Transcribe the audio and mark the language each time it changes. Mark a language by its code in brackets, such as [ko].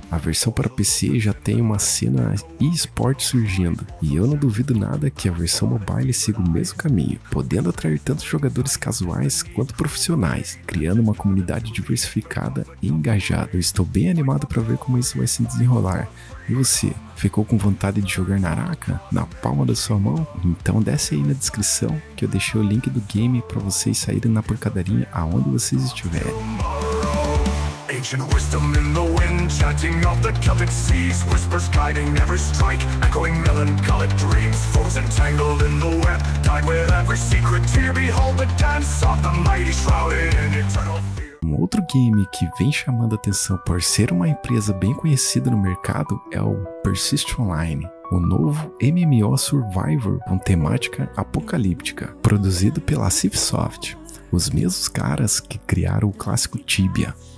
[pt] A versão para PC já tem uma cena e-sport surgindo, e eu não duvido nada que a versão mobile siga o mesmo caminho, podendo atrair tanto jogadores casuais quanto profissionais, criando uma comunidade diversificada e engajada. Eu estou bem animado para ver como isso vai se desenrolar. E você, ficou com vontade de jogar Naraka na palma da sua mão? Então desce aí na descrição que eu deixei o link do game para vocês saírem na porcadaria aonde vocês estiverem. [en] Ancient wisdom in the wind, chanting of the Celtic seas, whispers guiding every strike, echoing melancholic dreams, foes entangled in the web, died with every secret tear, behold the dance of the mighty shrouded in eternal. [pt] Um outro game que vem chamando atenção por ser uma empresa bem conhecida no mercado é o Persist Online, o novo MMO Survivor com temática apocalíptica, produzido pela Civsoft, os mesmos caras que criaram o clássico Tibia.